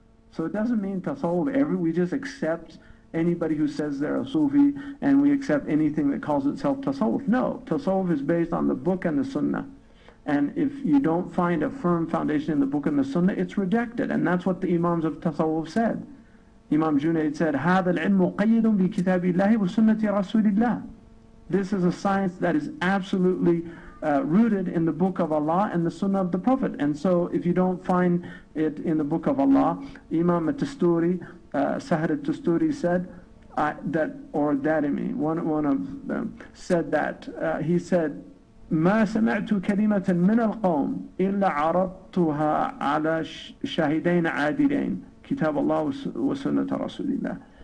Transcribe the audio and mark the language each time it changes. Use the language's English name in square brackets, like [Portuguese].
[English] So it doesn't mean tasawwuf, we just accept anybody who says they're a Sufi and we accept anything that calls itself tasawwuf. No, tasawwuf is based on the book and the sunnah. And if you don't find a firm foundation in the book and the sunnah, it's rejected. And that's what the imams of tasawwuf said. Imam Junaid said, [Arabic] هَذَا الْعِلْمُ قَيِّدٌ بِكِتَابِ اللَّهِ وَسُنَّةِ رَسُولِ اللَّهِ. [English] This is a science that is absolutely rooted in the book of Allah and the sunnah of the Prophet. And so if you don't find it in the book of Allah, Imam At-Tusturi, Sahar At-Tusturi said that, or Darimi, one of them said that, he said, [Arabic] مَا سَمَعْتُ كَلِمَةً مِنَ الْقَوْمِ إِلَّا عَرَضْتُهَا عَلَى شَهِدَيْنَ عَادِلَيْنَ كِتَابَ اللَّهِ وَسُنَّةَ رَسُولِ اللَّهِ.